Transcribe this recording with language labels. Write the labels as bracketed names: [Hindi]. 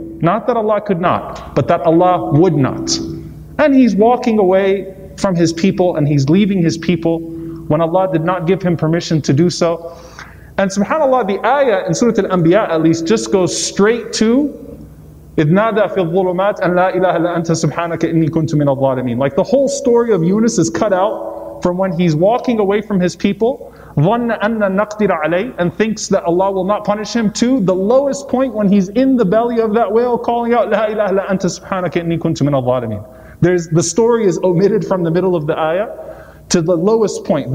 [English] Not that Allah could not, but that Allah would not. And he's walking away from his people and he's leaving his people when Allah did not give him permission to do so. And subhanAllah, the ayah in Surah Al-Anbiya at least just goes straight to [Arabic] إِذْ نَادَى فِي الظُّلُمَاتِ أَنْ لَا إِلَهَ إِلَّا أَنْتَ سُبْحَانَكَ إِنِّي كُنْتُ مِنَ الظَّالِمِينَ. [English] Like the whole story of Yunus is cut out from when he's walking away from his people, [Arabic] ظَنَّ أَنَّ نَقْدِرَ عَلَيْهِ, [English] and thinks that Allah will not punish him, to the lowest point when he's in the belly of that whale calling out [Arabic] لَا إِلَهَ إِلَّا أَنْتَ سُبْحَانَكَ إِنِّي كُنْتُ مِنَ الظَّالِمِينَ. [English] The story is omitted from the middle of the ayah to the lowest point.